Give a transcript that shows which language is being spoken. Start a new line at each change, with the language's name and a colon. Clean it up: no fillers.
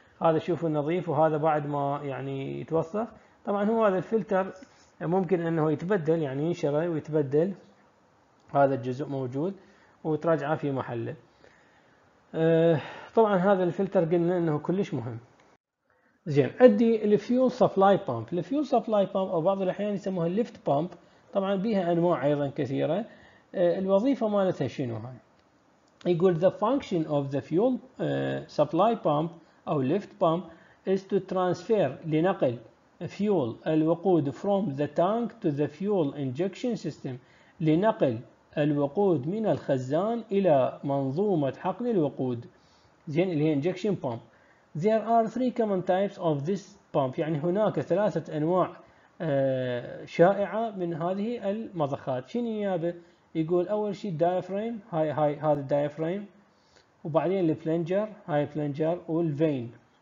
Arabic: هذا شوفوا نظيف، وهذا بعد ما يعني يتوسخ. طبعا هو هذا الفلتر ممكن انه يتبدل، يعني ينشر ويتبدل، هذا الجزء موجود وتراجعه في محله. طبعا هذا الفلتر قلنا انه كلش مهم. زين، عندي الفيول سبلاي بامب. الفيول سبلاي بامب او بعض الاحيان يسموها الليفت بامب، طبعا بها انواع ايضا كثيره. الوظيفه مالتها شنو هاي؟ يقول
English: the function of the fuel supply pump
Arabic: او
English: lift pump is to transfer
Arabic: لنقل
English: fuel
Arabic: الوقود
English: from the tank to the fuel injection system،
Arabic: لنقل الوقود من الخزان الى منظومه حقن الوقود. زين، اللي هي injection pump.
English: There are three common types of this pump.
Arabic: يعني هناك ثلاثة أنواع شائعة من هذه المضخات. شنو يابا؟ يقول أول شيء diaphragm، هاي هذا diaphragm، وبعدين البلنجر، هاي البلنجر، والفين.